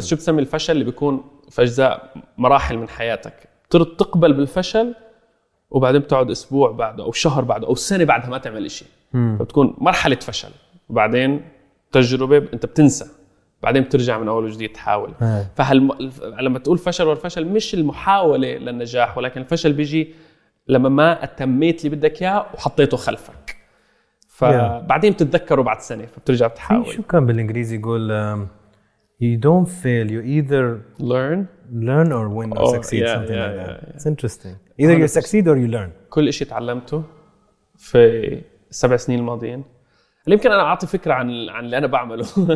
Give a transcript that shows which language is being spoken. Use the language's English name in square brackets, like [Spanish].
[Arabic] بس شو بسمي الفشل اللي بيكون في أجزاء مراحل من حياتك، ترد تقبل بالفشل وبعدين بتقعد أسبوع بعده أو شهر بعده أو سنة بعدها ما تعمل إشي، فبتكون مرحلة فشل وبعدين تجربة أنت بتنسى بعدين بترجع من أول وجديد تحاول. فلما تقول فشل والفشل مش المحاولة للنجاح، ولكن الفشل بيجي لما ما أتميت اللي بدك إياه وحطيته خلفك، فبعدين بتتذكره بعد سنة فبترجع بتحاول. شو كان بالإنجليزي يقول [English] you don't fail, you either learn or win or succeed, something like that. It's interesting. Either you succeed or you learn. [Arabic] كل إشي تعلمته في 7 سنين الماضيين. يمكن أنا أعطي فكرة عن اللي أنا بعمله.